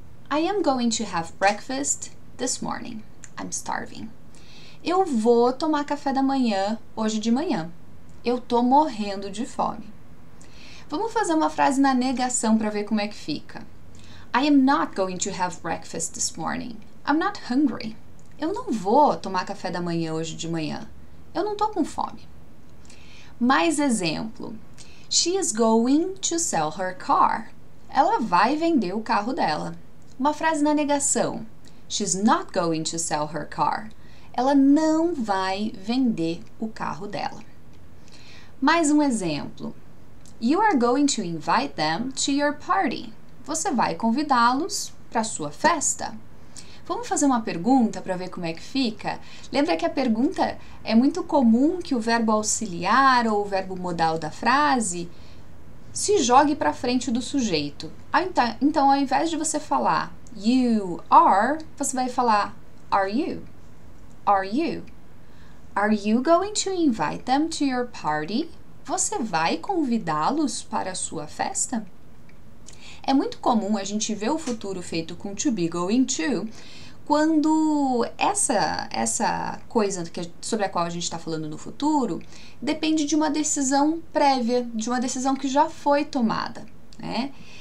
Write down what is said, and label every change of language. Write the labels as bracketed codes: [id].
[en] I am going to have breakfast this morning. I'm starving. [pt] Eu vou tomar café da manhã hoje de manhã. Eu tô morrendo de fome. Vamos fazer uma frase na negação para ver como é que fica. [en] I am not going to have breakfast this morning. I'm not hungry. [pt] Eu não vou tomar café da manhã hoje de manhã. Eu não tô com fome. Mais exemplo. [en] She is going to sell her car. [pt] Ela vai vender o carro dela. Uma frase na negação. [en] She's not going to sell her car. [pt] Ela não vai vender o carro dela. Mais um exemplo. [en] You are going to invite them to your party. [pt] Você vai convidá-los para sua festa. Vamos fazer uma pergunta para ver como é que fica? Lembra que a pergunta é muito comum que o verbo auxiliar ou o verbo modal da frase se jogue para frente do sujeito. Então, ao invés de você falar you are, você vai falar [en] are you? Are you? Are you going to invite them to your party? [pt] Você vai convidá-los para a sua festa? É muito comum a gente ver o futuro feito com to be going to quando essa coisa sobre a qual a gente está falando no futuro depende de uma decisão prévia, de uma decisão que já foi tomada, né?